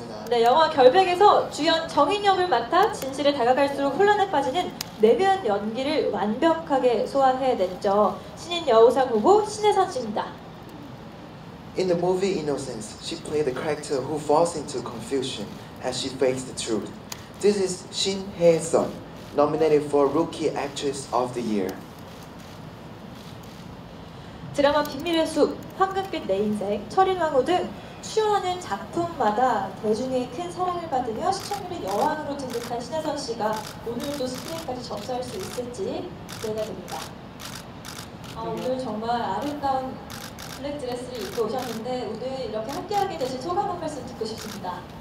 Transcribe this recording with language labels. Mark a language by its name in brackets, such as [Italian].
[Korean] 네, 영화 결백에서 주연 정인 역을 맡아 진실에 다가갈수록 혼란에 빠지는 내면 연기를 완벽하게 소화해냈죠. 신인 여우상 후보 신혜선 씨입니다. [English] In the movie Innocence, she played the character who falls into confusion as she faced the truth. This is Shin Hae-sun, nominated for Rookie Actress of the Year. [Korean] 드라마 비밀의 숲, 황금빛 내 인생, 철인왕후 등 출연하는 작품마다 대중의 큰 사랑을 받으며 시청률이 여왕으로 등극한 신혜선 씨가 오늘도 스크린까지 접수할 수 있을지 기대됩니다. 아, 오늘 정말 아름다운 블랙 드레스를 입고 오셨는데 오늘 이렇게 함께하게 되신 소감 한 말씀 듣고 싶습니다.